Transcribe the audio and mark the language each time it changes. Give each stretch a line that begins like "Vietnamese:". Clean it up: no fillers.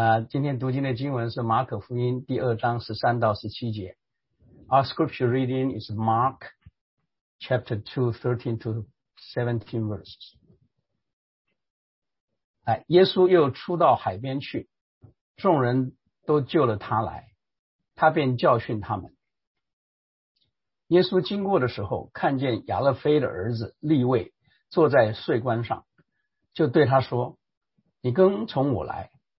Chinese: 今天读经的经文是马可福音第二章十三到十七节。
English: Our scripture reading is Mark chapter 2, 13 to 17 verses.
Chinese: 耶稣又出到海边去，众人都救了他来，他便教训他们。耶稣经过的时候，看见亚勒菲的儿子利未坐在税关上，就对他说，你跟从我来。